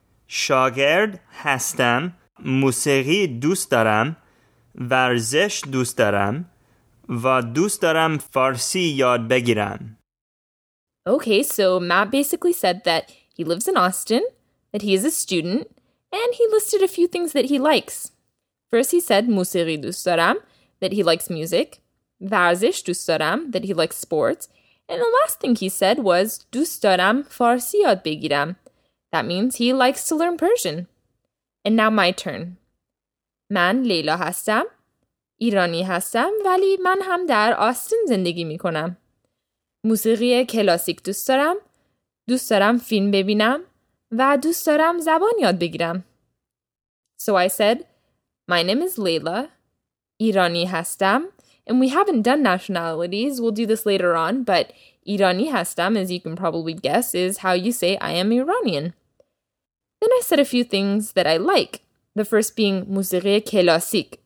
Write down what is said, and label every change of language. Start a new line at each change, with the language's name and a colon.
Persian: شاگرد هستم، موسیقی دوست دارم، ورزش دوست دارم و دوست دارم فارسی یاد بگیرم.
English: Okay, so Matt basically said that he lives in Austin, that he is a student, and he listed a few things that he likes. First he said
Persian: موسیقی دوست دارم,
English: that he likes music,
Persian: ورزش دوست دارم,
English: that he likes sports, and the last thing he said was
Persian: دوست دارم فارسی یاد بگیرم.
English: That means he likes to learn Persian. And now my turn.
Persian: من لیلا هستم. ایرانی هستم ولی من هم در آستین زندگی می کنم. موسیقی کلاسیک دوست دارم. دوست دارم فیلم ببینم و دوست دارم زبان یاد بگیرم.
English: So I said, my name is Leila.
Persian: ایرانی هستم.
English: And we haven't done nationalities. We'll do this later on, but
Persian: Irani hastam,
English: as you can probably guess, is how you say I am Iranian. Then I said a few things that I like, the first being
Persian: musiqi klasik.